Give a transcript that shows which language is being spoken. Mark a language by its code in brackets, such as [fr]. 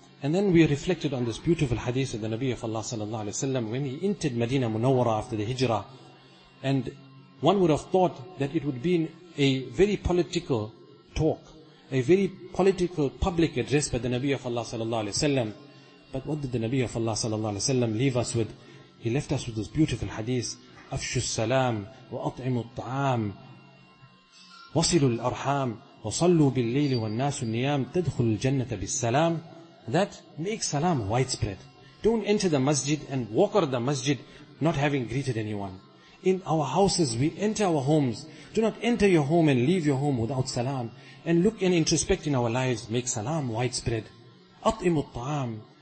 [en] And then we reflected on this beautiful hadith of the Nabi of Allah sallallahu alaihi wasallam when he entered Medina Munawwara after the hijrah. And one would have thought that it would be a very political talk, a very political public address by the Nabi of Allah sallallahu alaihi wasallam. But what did the Nabi of Allah sallallahu alaihi wasallam leave us with? He left us with this beautiful hadith, [ar] أَفْشُ السَّلَامُ وَأَطْعِمُ الطَّعَامُ وَصِلُوا الْأَرْحَامُ وَصَلُّوا بِالْلَّيْلِ وَالنَّاسُ النِّيَامُ تَدْخُلُ الْجَنَّةَ بِالسَّلَامُ. [en] That make salam widespread. Don't enter the masjid and walk out of the masjid not having greeted anyone. In our houses, we enter our homes. Do not enter your home and leave your home without salam. And look and introspect in our lives. Make salam widespread. [ar] أَطْعِمُ الطَّعَامُ.